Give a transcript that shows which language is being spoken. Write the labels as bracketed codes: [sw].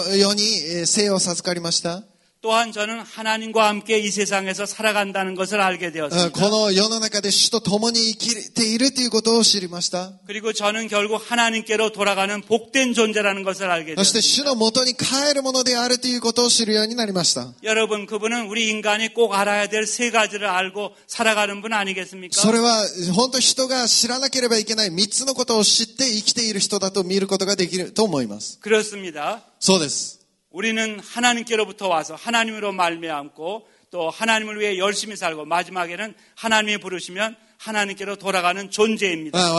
[ja] 私が主の恵みによってこの世に生を授かりました. [ko] 또한 저는 하나님과 함께 이 세상에서 살아간다는 것을 알게 되었습니다. [ja] この世の中で主と共に生きているということを知りました. [ko] 그리고 저는 결국 하나님께로 돌아가는 복된 존재라는 것을 알게 되었습니다. [ja] そして主の元に帰るものであるということを知るようになりました. [ko] 여러분, 그분은 우리 인간이 꼭 알아야 될 세 가지를 알고 살아가는 분 아니겠습니까? [ja] それは本当人が知らなければいけない3つのことを知って生きている人だと見ることができると思います. [ko] 그렇습니다. [ja] そうです. [ko] 우리는 하나님께로부터 와서 하나님으로 말미암고 또 하나님을 위해 열심히 살고 마지막에는 하나님이 부르시면 하나님께로 돌아가는 존재입니다.